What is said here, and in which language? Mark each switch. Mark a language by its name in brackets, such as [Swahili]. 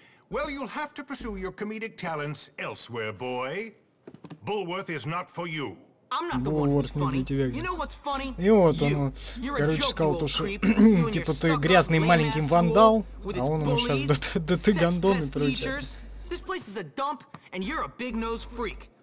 [English] Well, you'll have to pursue your comedic talents elsewhere, boy. Bulworth is not for you. [Russian] Булворт не для тебя. И вот он, короче, сказал то, что типа ты грязный маленький вандал, а он ему сейчас да ты гондон и прочее. [English] This place is a dump, and you're a big nose freak.